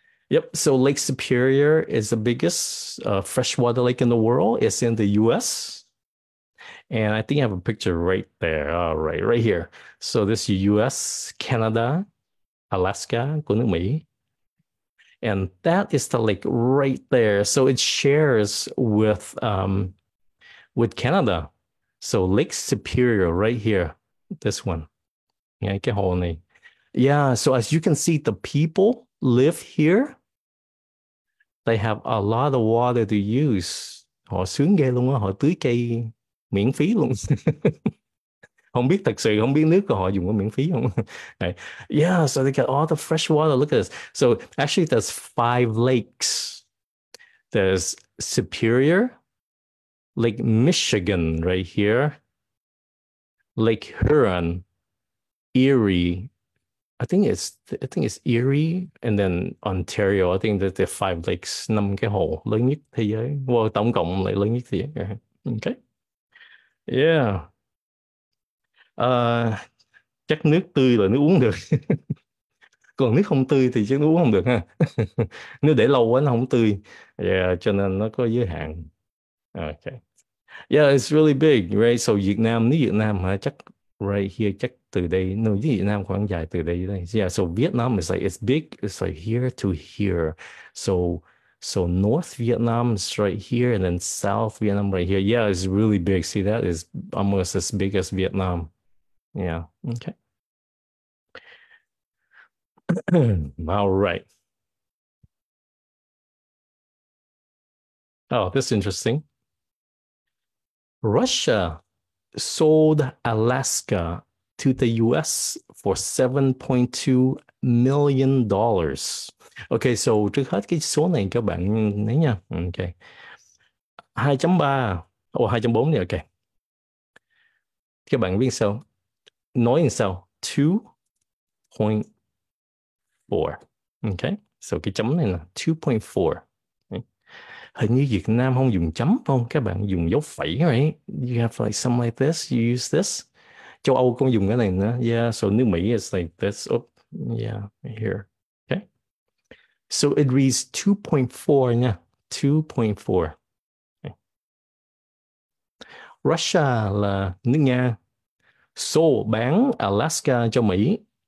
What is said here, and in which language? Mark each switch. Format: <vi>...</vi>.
<en>Yep, so Lake Superior is the biggest freshwater lake in the world. It's in the US. And I think I have a picture right there. All right here. So this is US, Canada, Alaska</en> <vi>của nước Mỹ.</vi> <en>And that is the lake right there. So it shares with Canada. So Lake Superior right here, this one. Yeah,</en> <vi>cái hồ này.</vi> <en>Yeah, so as you can see, the people live here. They have a lot of water to use.</en> <vi>Họ sướng ghê luôn á, họ tưới cây miễn phí luôn. Không biết thật sự không biết nước của họ dùng có miễn phí không.</vi> <en>Right. Yeah, so they got all the fresh water. Look at this. So actually, there's five lakes. There's Superior, Lake Michigan right here, Lake Huron, Erie, I think it's Erie and then Ontario. I think that there are five lakes,</en> <vi>năm cái hồ lớn nhất thế giới. Well, tổng cộng lại lớn nhất thế giới. Okay. Yeah. Chắc nước tươi là nước uống được. Còn nước không tươi thì chắc nước uống không được ha. Nếu để lâu quá nó không tươi. Yeah, cho nên nó có giới hạn. Okay.</vi> <en>Yeah, it's really big, right?</en> <vi>So Việt Nam, nếu Việt Nam hả, chắc</vi> <en>right here,</en> <vi>chắc từ đây, nếu Việt Nam khoảng dài từ đây đến đây.</vi> <en>Yeah, so Vietnam is like, it's like here to here. So North Vietnam is right here, and then South Vietnam right here. Yeah, it's really big. See, that is almost as big as Vietnam. Yeah, okay. All right. Oh, this is interesting. Russia sold Alaska to the US for $7.2 million.</en> <vi>Okay, so trước hết cái số này các bạn nhớ nha. Okay. 2.3 ô 2.4 nha, okay. Các bạn biết sao? Nói làm sao?</vi> <en>2.4. Okay.</en> <vi>So cái chấm này là 2.4. Hình như Việt Nam không dùng chấm không? Các bạn dùng dấu phẩy, right?</vi> <en>You have like something like this, you use this.</en> <vi>Châu Âu cũng dùng cái này nữa.</vi> <en>Yeah, so nước Mỹ is like this. Oh, yeah, here. So it reads 2.4 nha. 2.4.</en> <vi>Russia là nước Nga. Sold, bán Alaska cho Mỹ.</vi>